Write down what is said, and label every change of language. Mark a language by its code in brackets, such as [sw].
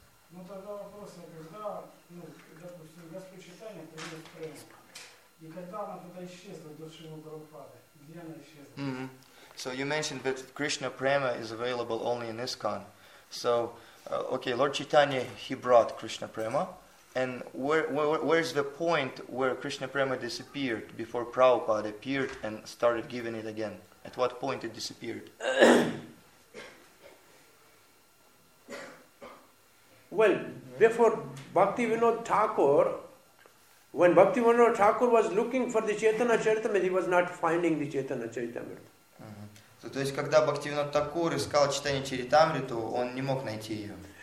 [ru] Ну тогда вопрос, я говорю, да, ну, допустим, Господь Читания придет в Прему. И когда она туда исчезла, до Шрилы Прабхупады, где она исчезла? Mm-hmm. [en] So you mentioned that Krishna Prema is available only in ISKCON. So, okay, Lord Chaitanya, he brought Krishna Prema. And where's the point where Krishna Prema disappeared before Prabhupada appeared and started giving it again? At what point it disappeared? Well, before Bhaktivinoda Thakur, when Bhaktivinoda Thakur was looking for the Chaitanya Charitamrita, he was not finding the Chaitanya Charitamrita. [ru] So, то есть когда Бхактивинода Такур искал Чайтанья Чаритамриту, он не мог найти ее.